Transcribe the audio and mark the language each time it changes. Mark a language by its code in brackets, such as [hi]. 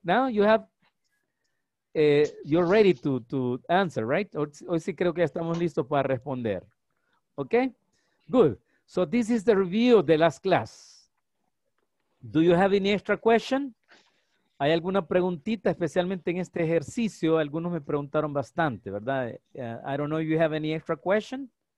[en] Now you have, you're ready to answer, right? [es] Hoy sí creo que estamos listos para responder. [en] Okay, good. So this is the review of the last class. Do you have any extra question? [es] ¿Hay alguna preguntita, especialmente en este ejercicio? Algunos me preguntaron bastante, ¿verdad? [en] I don't know if you have any extra question.